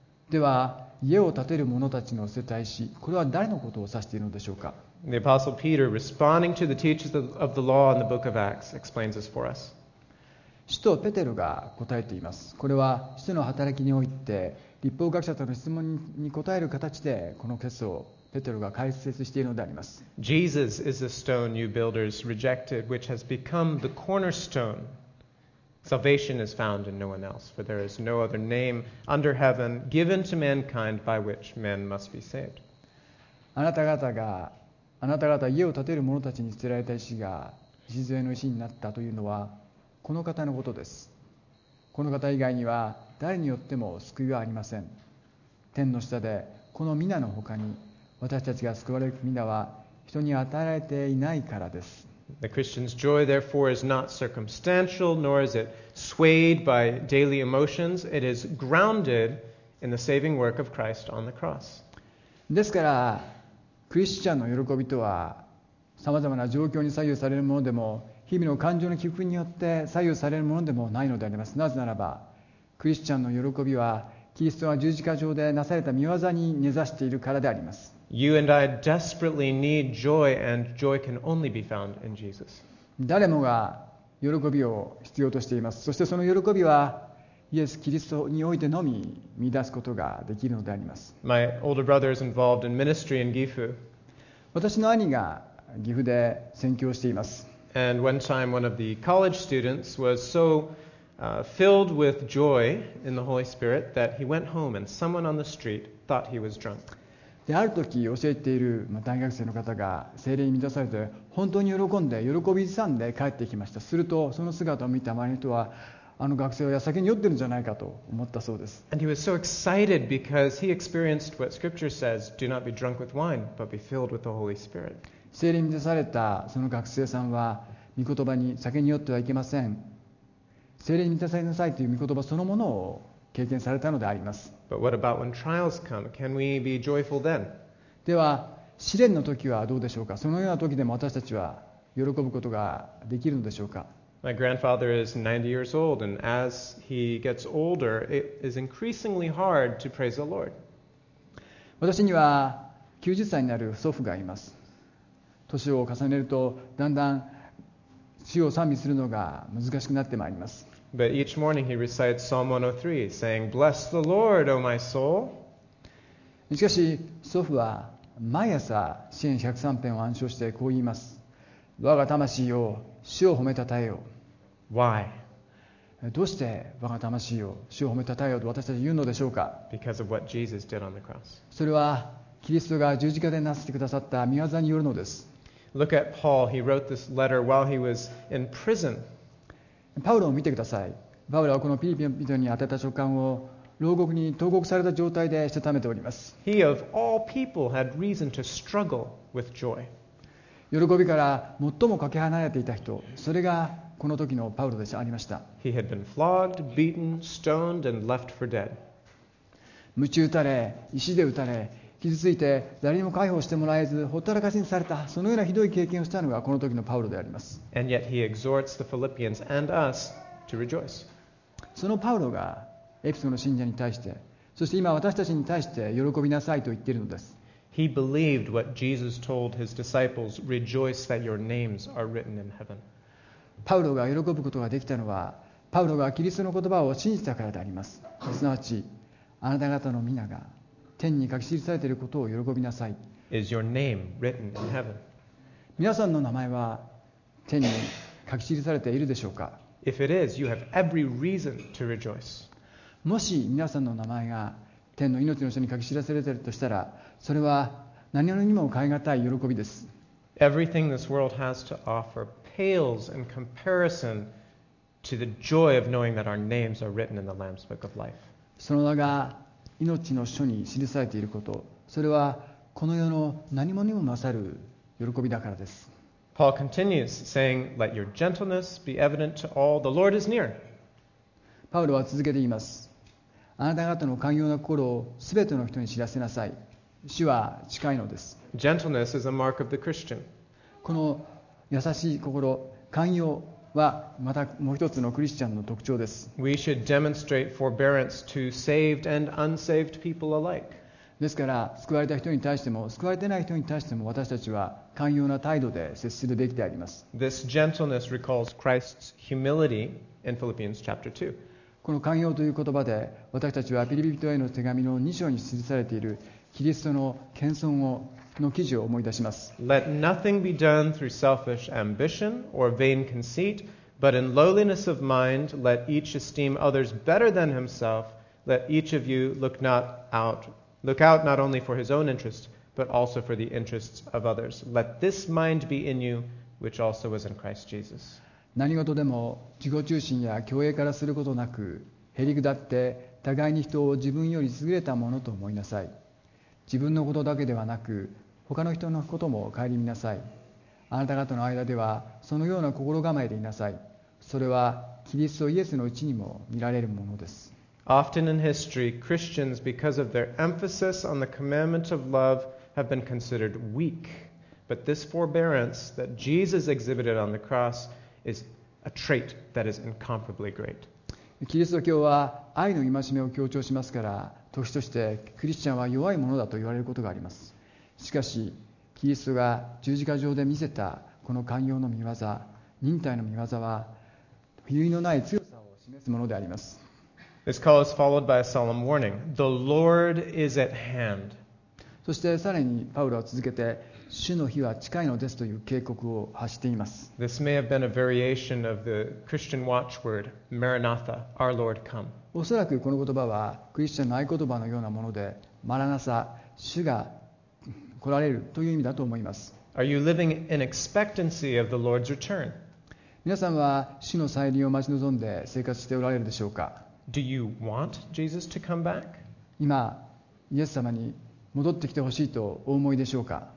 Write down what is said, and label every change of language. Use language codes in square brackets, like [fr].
[ja] では家を建てる者たちの世帯史、これは誰のことを指しているのでしょうか。 [en] The Apostle Peter, responding to the teachers of the law in the book of Acts, explains this for us. [ja] 使徒ペテロが答えています。これは使徒の働きにおいて律法学者との質問に答える形でこの箇所をペテロが解説しているのであります。 [en] Jesus is the stone you builders rejected, which has become the cornerstone. Salvation is found in no one else, for there is no other name under heaven given to mankind by which men must be saved. [ja] あなた方家を建てる者たちに捨てられた石が礎の石になったというのは、この方のことです。この方以外には誰によっても救いはありません。天の下でこの皆のほかに私たちが救われる皆は人に与えられていないからです。 [en] The Christian's joy, therefore, is not circumstantial, nor is it swayed by daily emotions. It is grounded in the saving work of Christ on the cross. [ja] ですから、クリスチャンの喜びとは、さまざまな状況に左右されるものでも、日々の感情の起伏によって左右されるものでもないのであります。なぜならば、クリスチャンの喜びは、キリストが十字架上でなされた御業に根ざしているからであります。 [en] You and I desperately need joy, and joy can only be found in Jesus. [ja] 誰もが喜びを必要としています。そしてその喜びは、イエス・キリストにおいてのみ見出すことができるのであります。 [en] My older brother is involved in ministry in Gifu. [ja] 私の兄が岐阜で宣教しています。 [en] And one time, one of the college students was so filled with joy in the Holy Spirit that he went home, and someone on the street thought he was drunk. [ja] である時教えている大学生の方が聖霊に満たされて本当に喜んで喜び悼んで帰ってきました。するとその姿を見た周りの人はあの学生は酒に酔ってるんじゃないかと思ったそうです。 [en] And he was so excited because he experienced what scripture says, do not be drunk with wine, but be filled with the Holy Spirit. [ja] 聖霊に満たされたその学生さんは御言葉に酒に酔ってはいけません、聖霊に満たされなさいという御言葉そのものを経験されたのであります。 [en] But what about when trials come? Can we be joyful then? [ja] では試練の時はどうでしょうか。そのような時でも私たちは喜ぶことができるのでしょうか。 [en] My grandfather is 90 years old, and as he gets older, it is increasingly hard to praise the Lord. [ja] 私には90歳になる祖父がいます。年を重ねるとだんだん主を賛美するのが難しくなってまいります。 [en] But each morning he recites Psalm 103, saying, Bless the Lord, O my soul. [ja] しかし、祖父は毎朝詩篇103篇を暗唱してこう言います。我が魂よ、主を褒めたたえよ。 [en] Why? [ja] どうして我が魂よ、主を褒めたたえよと私たち言うのでしょうか。 [en] Because of what Jesus did on the cross. [ja] それはキリストが十字架でなさってくださった御業によるのです。 [en] Look at Paul. He wrote this letter while he was in prison. [ja] パウロを見てください。パウロはこのピリピの人に宛てた書簡を牢獄に投獄された状態でしたためております。 [en] He of all people had reason to struggle with joy. [ja] 喜びから最もかけ離れていた人、それがこの時のパウロでした、ありました。 [en] He had been flogged, beaten, stoned, and left for dead. [ja] 鞭打たれ、石で打たれ、傷ついて誰にも解放してもらえずほったらかしにされた、そのようなひどい経験をしたのがこの時のパウロであります。 [en] And yet he exhorts the Philippians and us to rejoice. [ja] そのパウロがエピソの信者に対して、そして今私たちに対して喜びなさいと言っているのです。 [en] He believed what Jesus told his disciples, Rejoice that your names are written in heaven. [ja] パウロが喜ぶことができたのはパウロがキリストの言葉を信じたからであります。すなわちあなた方の皆が天に書き記されていることを喜びなさい。 [en] Is your name written in heaven? [ja] 皆さんの名前は天に書き記されているでしょうか。 [en] If it is, you have every reason to rejoice. [ja] もし皆さんの名前が天の命の書に書き記されているとしたら、それは何よりにも代え難い喜びです。 [en] Everything this world has to offer pales in comparison to the joy of knowing that our names are written in the Lamb's Book of Life. [ja] その名が命の書に記されていること、それはこの世の何者にも勝る喜びだからです。 [en] Paul continues saying, Let your gentleness be evident to all. The Lord is near. [ja] パウロは続けて言います。あなた方の寛容な心をすべての人に知らせなさい。主は近いのです。 [en] Gentleness is a mark of the Christian. [ja] この優しい心、寛容はまたもう一つのクリスチャンの特徴です。 [en] We should demonstrate forbearance to saved and unsaved people alike. [ja] ですから救われた人に対しても救われてない人に対しても私たちは寛容な態度で接するべきであります。 [en] This gentleness recalls Christ's humility in Philippians chapter 2. [ja] この寛容という言葉で私たちはピリピ人への手紙の2章に記されているキリストの謙遜をの記事を思い出します。 [en] Let nothing be done through selfish ambition or vain conceit, but in lowliness of mind, let each esteem others better than himself. Let each of you look out not only for his own interest, but also for the interests of others. Let this mind be in you, which also was in Christ Jesus. [ja] 何事でも自己中心や共栄からすることなく、へりくだって互いに人を自分より優れたものと思いなさい。自分のことだけではなく、他の人のことも顧みなさい。あなた方の間ではそのような心構えでいなさい。それはキリストイエスのうちにも見られるものです。 [en] Often in history, Christians, because of their emphasis on the commandment of love, have been considered weak. But this forbearance that Jesus exhibited on the cross is a trait that is incomparably great. [ja] キリスト教は愛の戒めを強調しますから、時としてクリスチャンは弱いものだと言われることがあります。しかし、キリストが十字架上で見せたこの寛容の御業、忍耐の御業は、比喩のない強さを示すものであります。 [en] This call is followed by a solemn warning. The Lord is at hand. [ja] そしてさらにパウロは続けて、主の日は近いのですという警告を発しています。 [en] This may have been a variation of the Christian watchword, Maranatha, our Lord come. [ja] おそらくこの言葉はクリスチャンの合言葉のようなもので、マラナサ、主が来られるという意味だと思います。 [en] Are you living in expectancy of the Lord's return? [ja] 皆さんは主の再臨を待ち望んで生活しておられるでしょうか。 [en] Do you want Jesus to come back? [ja] 今、イエス様に戻ってきてほしいとお思いでしょうか。